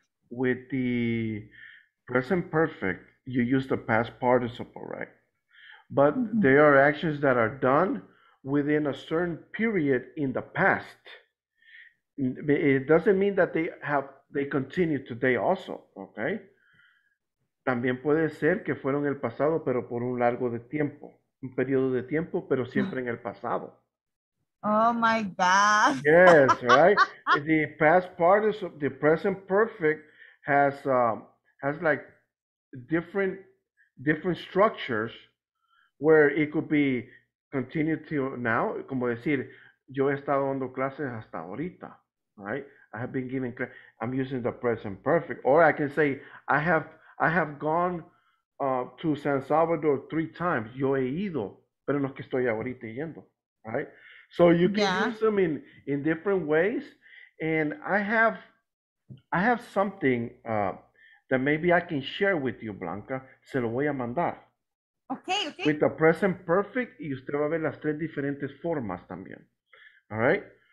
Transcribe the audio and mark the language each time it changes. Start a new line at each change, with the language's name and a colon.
English: With the present perfect, you use the past participle, right? But there are actions that are done within a certain period in the past. It doesn't mean that they continue today also, okay?
Spanish: También puede ser que fueron el pasado, pero por un largo de tiempo. Un periodo de tiempo, pero siempre en el pasado.
English: Oh, my God. Yes, right? The past participle, the present perfect has like different structures where it could be continued till now.
Spanish: Como decir, yo he estado dando clases hasta ahorita,
English: right? I have been giving class. I'm using the present perfect. Or I can say, I have gone to San Salvador 3 times.
Spanish: Yo he ido, pero no es que estoy ahorita yendo,
English: right? So you can use them in different ways. And I have something that maybe I can share with you, Blanca.
Spanish: Se lo voy a mandar.
English: Okay, okay. With the present perfect,
Spanish: y usted va a ver las tres diferentes formas también.
English: All right?